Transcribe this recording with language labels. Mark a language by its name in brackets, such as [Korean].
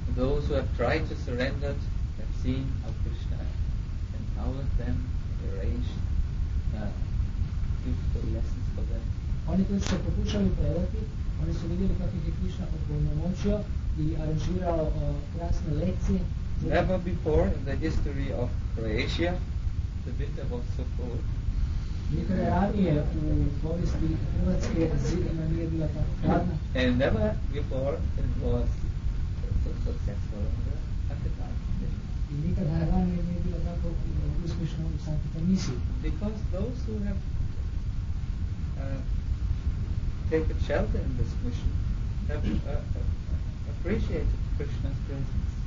[English] Those who have tried to surrender have seen how Krishna empowered them, arranged beautiful lessons for them. [Croatian] Oni koji su se pokušali predati, oni su vidjeli kako je Krishna opunomoćio i aranžirao krasne lekcije. [English] Never before in the history of Croatia, the winter was so cold. [Croatian] Nikada ranije u povijesti Hrvatske zima nije bila tako hladna. [English] And never before it was so successful at the time. [Croatian] I nikada ranije nije bila tako uspješna u Sankt Petermisiji. [English] Because those who have taken shelter in this mission have appreciated Krishna's presence.